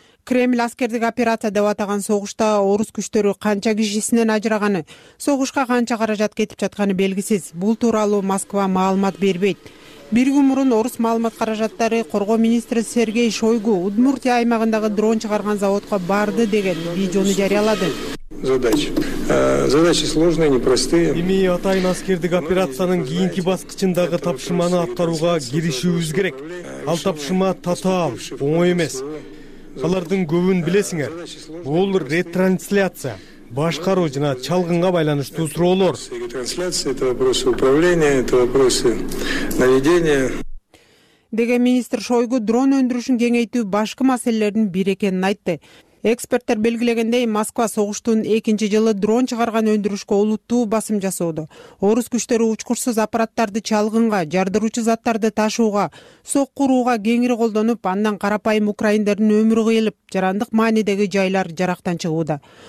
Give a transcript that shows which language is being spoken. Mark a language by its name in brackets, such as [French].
[Kyrgyz] Кремль аскердик операция деп атаган согушта орус күчтөрү канча кишисинен ажыраганы, согушка канча каражат кетип жатканы белгисиз. Бул тууралуу Москва маалымат бербейт. Бир күн мурун орус маалымат каражаттары коргоо министри Сергей Шойгу Удмуртия аймагындагы дрон чыгарган заводко барды деген видеону жарыялады. [Russian] Задачи сложные, непростые. [Kyrgyz] Эми атайын аскердик операциянын кийинки баскычындагы тапшырманы аткарууга киришүүбүз керек. Ал тапшырма татаал, оңой эмес. Алардын көбүн билесиңер. Бул ретрансляция. Башкаруу жана чалгынга байланыштуу суроолор. [Russian] Трансляция, это вопросы управления, это вопросы наведения. [Kyrgyz] Деген министр Шойгу дрон өндүрүшүн кеңейтүү башкы маселелердин бири экенин айтты. Эксперттер белгилегендей, Москва согуштун экинчи жылы дрон чыгарган өндүрүшкө олуттуу басым жасоодо. Орус күчтөрү учкучсуз аппараттарды чалгынга, жардыруучу заттарды ташууга, соккурууга кеңири колдонуп, андан карапайым украиндердин өмүрү кыйылып, жарандык маанидеги жайлар жарактан чыгууда.